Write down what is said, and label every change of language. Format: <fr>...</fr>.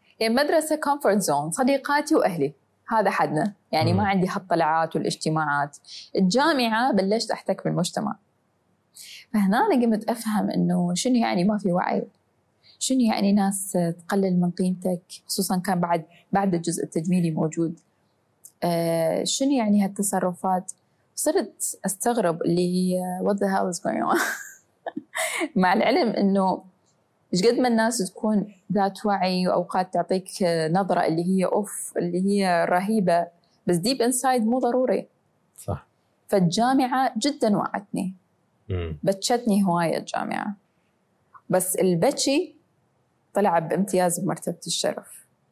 <ar>يعني مدرسة comfort zone، صديقاتي وأهلي هذا حدنا، يعني ما عندي هالطلعات والاجتماعات. الجامعة بلشت أحتك بالمجتمع، فهنا أنا قمت أفهم أنه شنو يعني ما في وعي، شنو يعني ناس تقلل من قيمتك، خصوصا كان بعد الجزء التجميلي موجود، شنو يعني هالتصرفات. صرت أستغرب اللي هي</ar> <en>what the hell is going on.</en> <ar>مع العلم أنه إيش قد ما الناس تكون ذات وعي وأوقات تعطيك نظرة اللي هي أوف اللي هي رهيبة، بس</ar> <en>deep inside</en> <ar>مو ضروري. صح. فالجامعة جدا وعتني، بتشتني هواية الجامعة، بس البتشي طلع بامتياز بمرتبة الشرف.</ar>